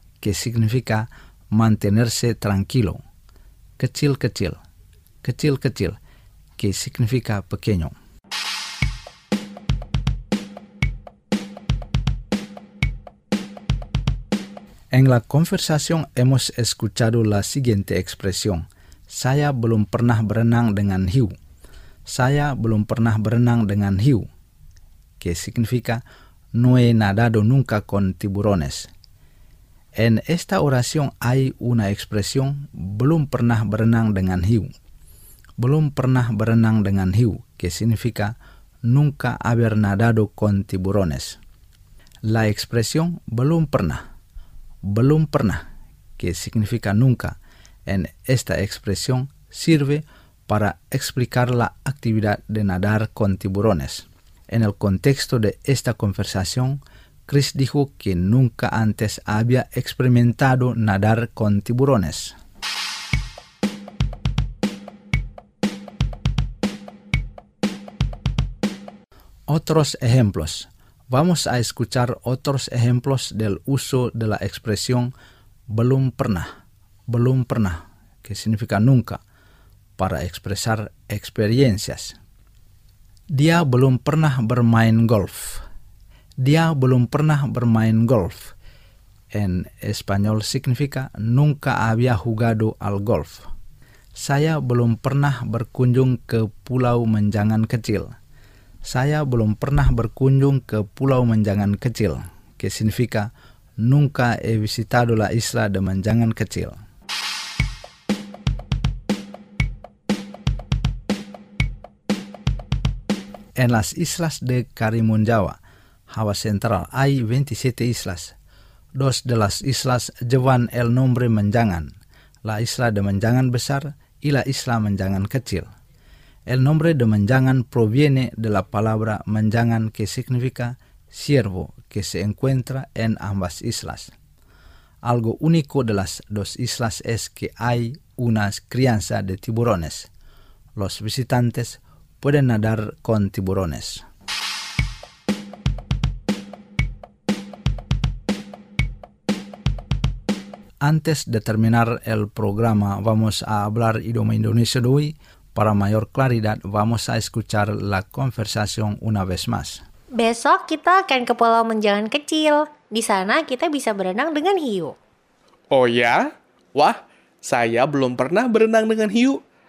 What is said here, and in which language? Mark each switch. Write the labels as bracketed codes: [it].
[es] Que significa mantenerse tranquilo. Kecil-kecil. Kecil-kecil. Que significa pequeño. En la conversación hemos escuchado la siguiente expresión. [id] Saya belum pernah berenang dengan hiu. Saya belum pernah berenang dengan hiu. [es] Que significa No he nadado nunca con tiburones. En esta oración hay una expresión [id] Belum pernah berenang dengan hiu. Belum pernah berenang dengan hiu. [es] Que significa Nunca haber nadado con tiburones. La expresión Belum pernah. Belum pernah. Que significa nunca. En esta expresión sirve para explicar la actividad de nadar con tiburones. En el contexto de esta conversación, Chris dijo que nunca antes había experimentado nadar con tiburones. Otros ejemplos. Vamos a escuchar otros ejemplos del uso de la expresión belum pernah, belum pernah, que significa nunca, para expresar experiencias. [id] Dia belum pernah bermain golf. Dia belum pernah bermain golf. [es] En español significa nunca había jugado al golf. [id] Saya belum pernah berkunjung ke Pulau Menjangan Kecil. Saya belum pernah berkunjung ke Pulau Menjangan Kecil. [es] Que significa nunca he visitado la isla de Menjangan Kecil. en las Islas de Karimun Jawa, Hawa Central hay 27 islas. Dos de las islas llevan el nombre Menjangan, la isla de Menjangan besar y la isla Menjangan kecil. El nombre de Menjangan proviene de la palabra Menjangan que significa siervo que se encuentra en ambas islas. Algo único de las dos islas es que hay una crianza de tiburones. Los visitantes pueden nadar con tiburones. Antes de terminar el programa, vamos a hablar idioma indonesio de hoy. Para mayor claridad, vamos a escuchar la conversación una vez más. [id] Besok kita akan ke Pulau Menjangan kecil. Di sana kita bisa berenang dengan hiu. Oh ya? Wah, saya belum pernah berenang dengan hiu.